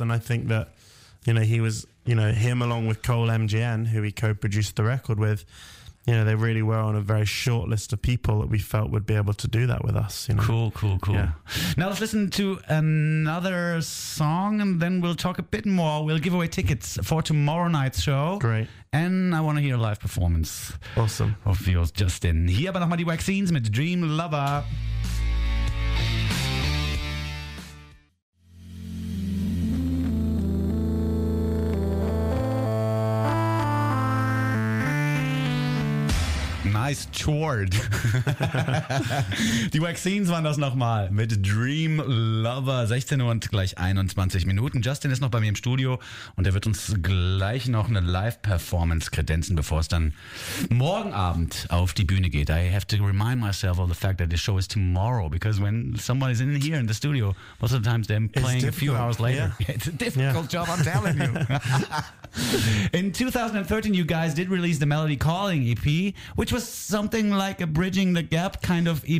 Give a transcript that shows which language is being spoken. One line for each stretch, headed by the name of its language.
English: And I think that, you know, he was, you know, him along with Cole MGN, who he co-produced the record with, you know, they really were on a very short list of people that we felt would be able to do that with us. You know? Cool. Yeah. Now let's listen to another song and then we'll talk a bit more. We'll give away tickets for tomorrow night's show. Great. And I want to hear a live performance. Awesome. Of yours, Justin.
German: Hier aber nochmal die Waxines mit Dream Lover.
English: Nice chord.
German: Die Waxines waren das nochmal mit Dream Lover. 16 Uhr und gleich 21 Minuten. Justin ist noch bei mir im Studio und er wird uns gleich noch eine Live-Performance kredenzen, bevor es dann morgen Abend auf die Bühne geht.
English: I have to remind myself of the fact that the show is tomorrow, because when someone is in here in the studio, most of the times they're playing a few hours later. Yeah. It's a difficult job, I'm telling you. In 2013, you guys did release the Melody Calling EP, which was something like a Bridging the Gap kind of EP